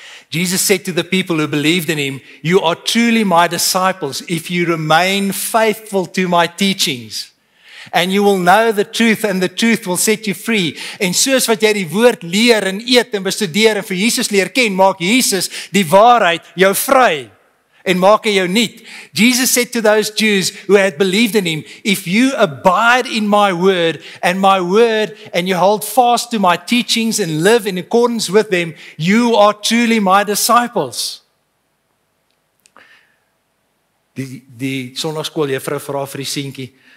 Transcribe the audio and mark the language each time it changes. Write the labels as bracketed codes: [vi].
[en] Jesus said to the people who believed in him, "You are truly my disciples if you remain faithful to my teachings." And you will know the truth and the truth will set you free. [af] En soos wat jy die woord leer en eet en bestudeer en vir Jesus leer ken, maak Jesus die waarheid jou vry en maak hy jou nuut. [en] Jesus said to those Jews who had believed in him, "If you abide in my word and you hold fast to my teachings and live in accordance with them, you are truly my disciples." [af] Die sonnaarskool juffrou vra vir die seentjie.